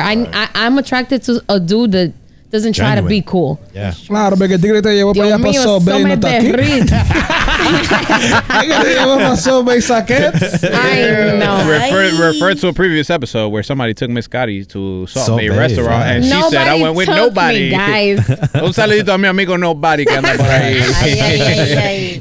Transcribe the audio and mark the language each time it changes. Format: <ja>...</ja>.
<en>I'm attracted to a dude that doesn't try genuine. To be cool. Yeah.</en> <es>Claro, porque el tigre te llevó para allá para sober y no está aquí.</es> <en>Refer to a previous episode where somebody took Miss Cardi to Salt Bay restaurant, right. And she nobody said, "I went with nobody." Me, guys.</en> <es>Un saludito a mi amigo Nobody que anda por ahí.</es>